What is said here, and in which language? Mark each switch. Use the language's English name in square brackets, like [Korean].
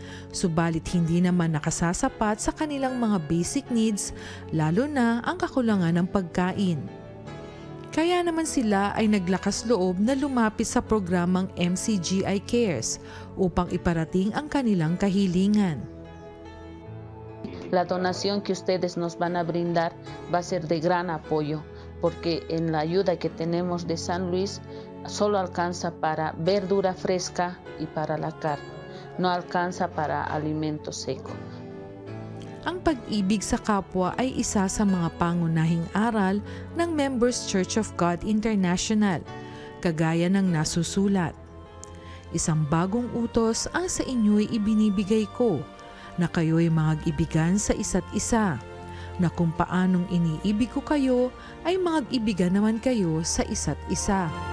[Filipino] Subalit hindi naman nakasasapat sa kanilang mga [English] basic needs, [Filipino] lalo na ang kakulangan ng pagkain. Kaya naman sila ay naglakas loob na lumapit sa programang MCGI Cares upang iparating ang kanilang kahilingan. [Spanish] La donación que ustedes nos van a brindar va a ser de gran apoyo porque en la ayuda que tenemos de San Luis solo alcanza para verdura fresca y para la carne. No alcanza para alimento seco. [Filipino] Ang pag-ibig sa kapwa ay isa sa mga pangunahing aral ng Members Church of God International, kagaya ng nasusulat. Isang bagong utos ang sa inyo'y ibinibigay ko, na kayo'y mag-ibigan sa isa't isa, na kung paanong iniibig ko kayo ay mag-ibigan naman kayo sa isa't isa.